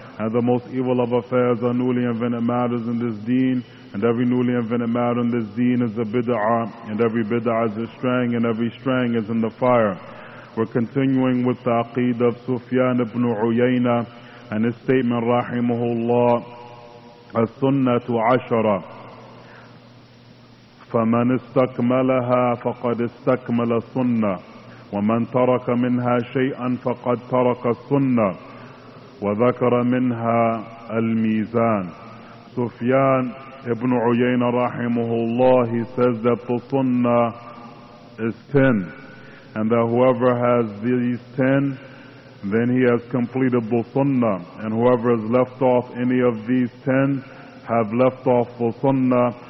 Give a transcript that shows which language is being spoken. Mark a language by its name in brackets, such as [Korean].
[English] And the most evil of affairs are newly invented matters in this deen, and every newly invented matter in this deen is a bid'ah, and every bid'ah is a strang, and every strang is in the fire. We're continuing with the Aqeedah of Sufyan ibn Uyayna and his statement, rahimahullah, [Arabic] as-sunnatu ashara. فمن استكملها فقد استكمل السنة ومن ترك منها شيئا فقد ترك السنة وذكر منها الميزان. [English] Sufyan ibn Uyayna rahimahullah, he says that the sunnah is 10, and that whoever has these 10, then he has completed the sunnah, and whoever has left off any of these 10 have left off the sunnah.